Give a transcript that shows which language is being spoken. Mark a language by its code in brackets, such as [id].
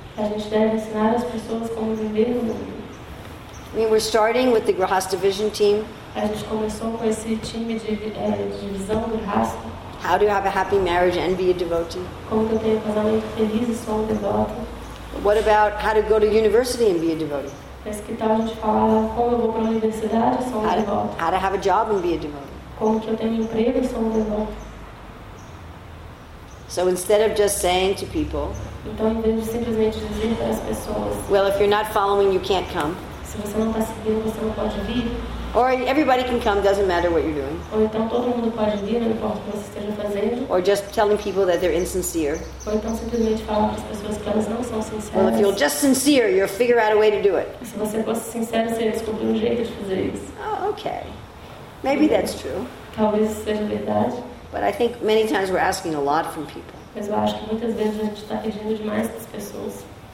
[pt] A gente deve ensinar as pessoas como viver no mundo. [en] I mean, we're starting with the Grahastha Vision team. [pt] A gente começou com esse time de visão do Grahastha. [en] How to have a happy marriage and be a devotee. [pt] Como ter um casamento feliz e ser um devoto. [en] What about how to go to university and be a devotee? [pt] Mas que tal a gente falar como eu vou para a universidade e ser um devoto? [en] How to have a job and be a devotee. [pt] Como que eu tenho emprego e ser um devoto? [en] So instead of just saying to people, [pt] então, em vez de simplesmente dizer para as pessoas, [en] well, if you're not following, you can't come. [pt] Se você não está seguindo, você não pode vir. [en] Or everybody can come, doesn't matter what you're doing. [pt] Ou então todo mundo pode vir, não importa o que você esteja fazendo. [en] Or just telling people that they're insincere. [pt] Ou então simplesmente falar para as pessoas que elas não são sinceras. [en] Well, if you're just sincere, you'll figure out a way to do it. [pt] Se você fosse sincero, você ia descobrir um jeito de fazer isso. [en] Oh, okay. Maybe that's true. [pt] Talvez seja verdade. [en] But I think many times we're asking a lot from people. [pt] Mas eu acho que muitas vezes a gente está pedindo demais das pessoas.